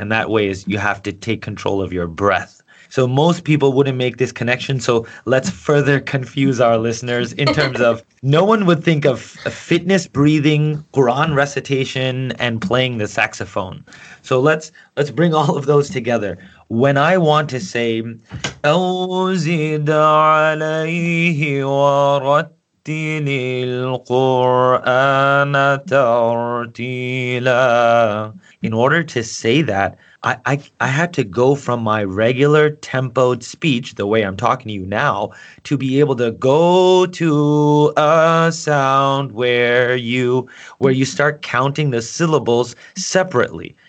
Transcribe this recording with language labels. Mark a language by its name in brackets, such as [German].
[English] And that way is you have to take control of your breath. So most people wouldn't make this connection. So let's further confuse our listeners in terms of, no one would think of fitness breathing, Quran recitation, and playing the saxophone. So let's bring all of those together. When I want to say, [Arabic] أوزد عليه ورتل القرآن ترتيلا. [English] In order to say that, I had to go from my regular tempoed speech, the way I'm talking to you now, to be able to go to a sound where you start counting the syllables separately.